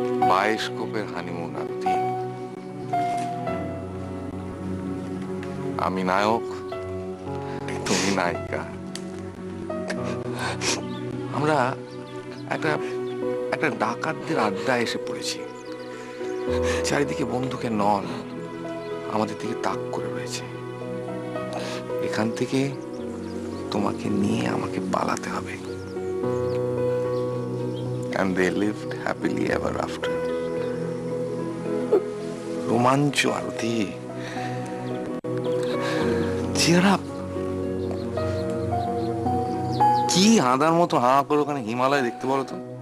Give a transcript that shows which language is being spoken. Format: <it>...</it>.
<bn>বায়োস্কোপের honeymoon আরতি, আমি নায়ক, তুমি নায়িকা, আমরা একটা একটা ডাকাতদের আড্ডায় এসে পড়েছি, চারিদিকে বন্দুকের নল আমাদের দিকে তাক করে রয়েছে, এখান থেকে তোমাকে নিয়ে আমাকে পালাতে হবে।</bn> <en>And they lived happily ever after.</en> <bn>রোমাঞ্চ আরতি, চেহারা কি আদার মতো হাঁ করে ওখানে হিমালয় দেখতে পারো তো?</bn>